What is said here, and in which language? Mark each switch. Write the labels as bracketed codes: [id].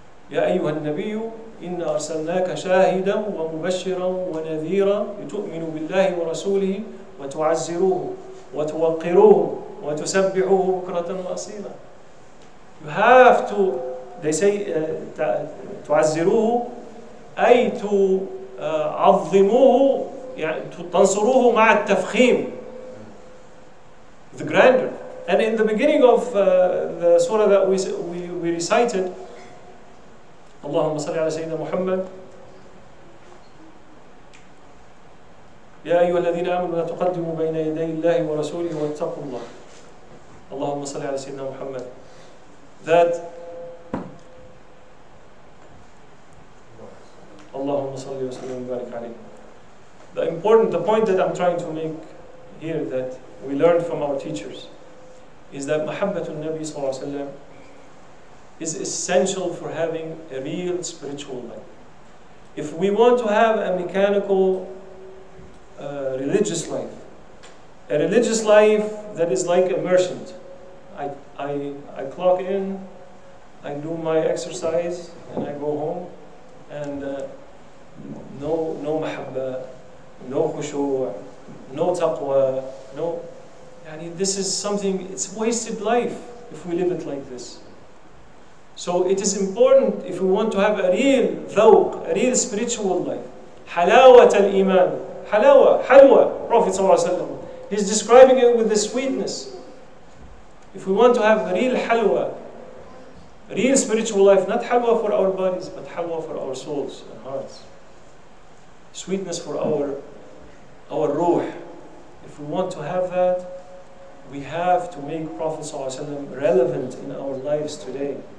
[ar] Ya ayyuha nabiyyu. إِنَّا أَرْسَلْنَاكَ شَاهِدًا وَمُبَشِّرًا وَنَذِيرًا لِتُؤْمِنُوا بِاللَّهِ وَرَسُولِهِ وَتُعَزِّرُوهُ وَتُوَقِّرُوهُ وَتُسَبِّحُوهُ بُكْرَةً وَأَصِيلًا. [en] You have to, they say, [ar] تُعَزِّرُوهُ, أي [en] to [ar] عظموه يعني تنصروه مع التفخيم [en] the grandeur. And in the beginning of the surah that we recited, [ar] اللهم صل على سيدنا محمد يا أيها الذين آمنوا لا تقدموا بين يدي الله ورسوله واتقوا الله اللهم صل على سيدنا محمد [en] that [ar] اللهم صل وسلم وبارك عليه. [en] The important, the point that I'm trying to make here that we learned from our teachers is that Muhammadun Nabi صلى الله عليه وسلم is essential for having a real spiritual life. If we want to have a mechanical religious life, a religious life that is like a merchant, I clock in, I do my exercise, and I go home, and no mahabba, no khushu', no taqwa, no. يعني this is something, it's wasted life if we live it like this. So it is important if we want to have a real ذوق, a real spiritual life. [ar] حلاوة الإيمان. حلاوة, حلوة, Prophet صلى الله عليه وسلم. [en] He's describing it with the sweetness. If we want to have a real حلوة, real spiritual life, not حلوة for our bodies, but حلوة for our souls and hearts. Sweetness for our ruh. If we want to have that, we have to make Prophet ﷺ relevant in our lives today.